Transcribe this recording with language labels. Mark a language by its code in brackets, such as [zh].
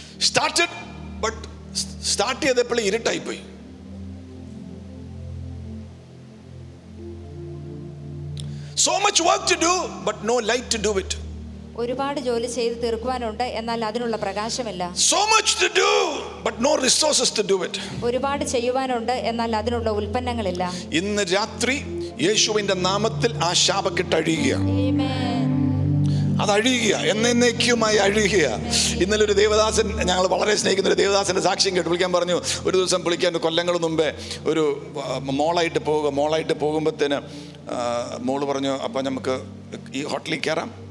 [en] Started, but start [ml] cheyadappol irittai poi. [en] So much work to do, but no light to do it. [ml] ഒരുപാട് ജോലി ചെയ്ത് തീർക്കുവാനുണ്ട്, എന്നാൽ അതിനുള്ള പ്രകാശമില്ല. [en] So much to do, but no resources to do it. [ml] ഒരുപാട് ചെയ്യുവാനുണ്ട്, എന്നാൽ അതിനുള്ള ഉൽപ്പന്നങ്ങളില്ല. ഇന്ന് രാത്രി യേശുവിന്റെ നാമത്തിൽ ആ ശാപക്കെട്ട് അഴിയുക. ആമേൻ. അതഴിയുക, എന്നേക്കുമായി അഴിയുക. ഇന്നലെ ഒരു ദേവദാസൻ, ഞങ്ങൾ വളരെ സ്നേഹിക്കുന്ന ഒരു ദേവദാസന്റെ സാക്ഷ്യം കേട്ട് വിളിക്കാൻ പറഞ്ഞു. ഒരു ദിവസം വിളിക്കാൻ, കൊല്ലങ്ങൾ മുമ്പേ ഒരു മോളായിട്ട് പോവുക, മോളായിട്ട് പോകുമ്പോഴത്തേന് മോള് പറഞ്ഞു, അപ്പം നമുക്ക് ഈ ഹോട്ടലിൽ കയറാം.